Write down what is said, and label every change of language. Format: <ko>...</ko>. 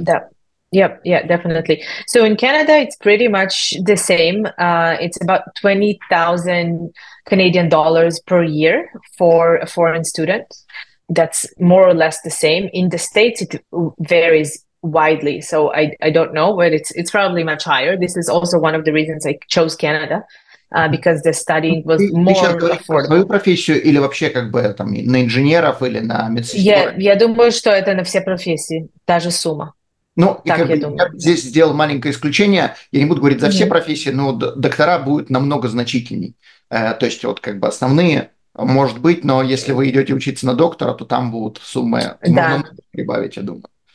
<en>Да, Yeah, definitely. So in Canada, it's pretty much the same. It's about 20,000 Canadian dollars per year for a foreign student. That's more or less the same. In the States, it varies widely. So I don't know, but it's probably much higher. This is also one of the reasons I chose Canada, because the studying was more affordable.</en> <ru>Свою профессию или вообще как бы там на инженеров или на медсестер? Я думаю, что это на все профессии, та же сумма. Ну, так, и как я бы думаю. Я здесь сделал маленькое исключение. Я не буду говорить за все профессии, но доктора будут намного значительней. То есть, вот как бы основные, может быть, но если вы идете учиться на доктора, то там будут суммы прибавить, я думаю.</ru>